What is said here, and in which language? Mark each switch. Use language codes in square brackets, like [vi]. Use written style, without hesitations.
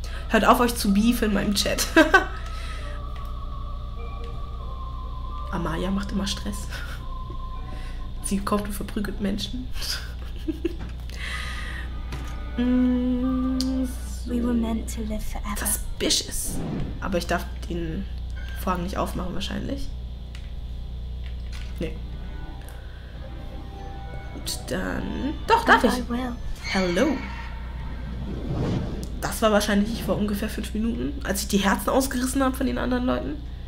[de] Hört auf, euch zu beefen in meinem Chat. Amaya macht immer Stress. Sie kommt und verprügelt Menschen. [en] We were meant to live forever. Suspicious. [de] Aber ich darf den Vorhang nicht aufmachen wahrscheinlich. Nee. Gut, dann... Doch, darf ich. Hello. Das war wahrscheinlich vor ungefähr 5 Minuten, als ich die Herzen ausgerissen habe von den anderen Leuten.